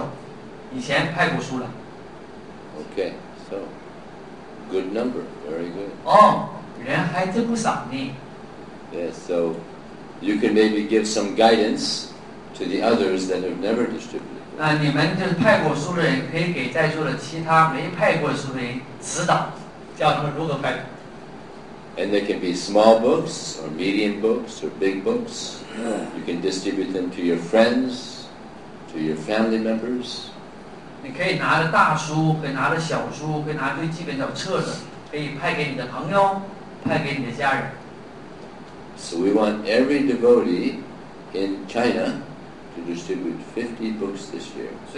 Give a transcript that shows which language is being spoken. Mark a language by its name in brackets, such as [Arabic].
[Chinese] 大家有在座的各位有谁以前派过书了，请举手。以前派过书了。 [English] Okay, so good number, very good. [Chinese] 哦，人还真不少呢。 [English] Yes, so you can maybe give some guidance to the others that have never distributed. [Chinese] 那你们就是派过书的人，可以给在座的其他没派过书的人指导，教他们如何派。 [English] And they can be small books, or medium books, or big books. Yeah. You can distribute them to your friends, to your family members. So we want every devotee in China to distribute 50 books this year.